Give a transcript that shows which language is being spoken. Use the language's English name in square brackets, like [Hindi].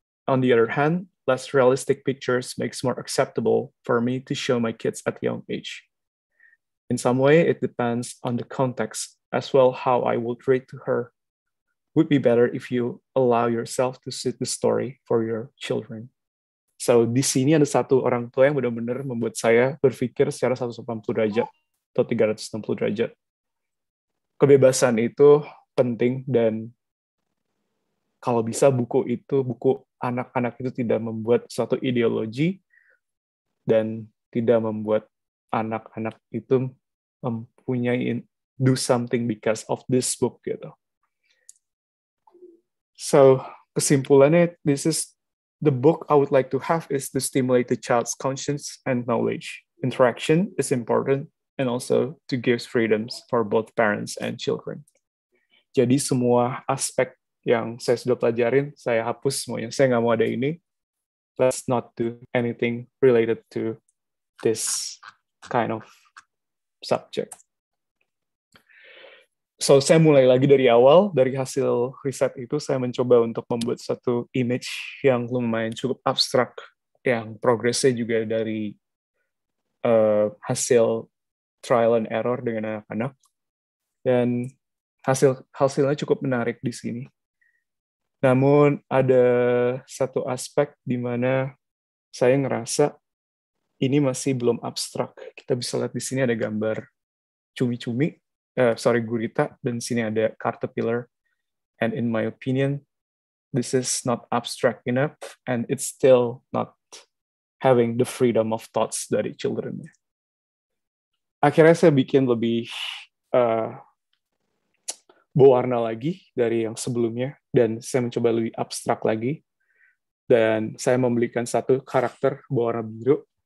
[English] On the other hand, less realistic pictures makes more acceptable for me to show my kids at young age. In some way, it depends on the context as well how I will treat to her. Would be better if you allow yourself to suit the story for your children. [Indonesian] So di sini ada satu orang tua yang benar-benar membuat saya berpikir secara 180 derajat atau 360 derajat. Kebebasan itu penting, dan kalau bisa buku anak-anak itu tidak membuat suatu ideologi dan tidak membuat anak-anak itu mempunyai [English] do something because of this book [Indonesian] gitu. [English] So, [Indonesian] kesimpulannya, [English] this is the book I would like to have is to stimulate the child's conscience and knowledge. Interaction is important, and also to give freedoms for both parents and children. [Indonesian] Jadi semua aspek yang saya sudah pelajarin, saya hapus semuanya. Saya nggak mau ada ini. [English] Let's not do anything related to this kind of subject. [Indonesian] So, saya mulai lagi dari awal. Dari hasil riset itu, saya mencoba untuk membuat satu image yang lumayan cukup abstrak, yang progresnya juga dari hasil trial and error dengan anak-anak. Dan hasilnya cukup menarik di sini. Namun, ada satu aspek di mana saya ngerasa ini masih belum abstrak. Kita bisa lihat di sini ada gambar cumi-cumi. Gurita, dan sini ada caterpillar. [English] And in my opinion, this is not abstract enough, and it's still not having the freedom of thoughts dari children. [Indonesian] Akhirnya saya bikin lebih berwarna lagi dari yang sebelumnya, dan saya mencoba lebih abstrak lagi, dan saya memberikan satu karakter berwarna biru.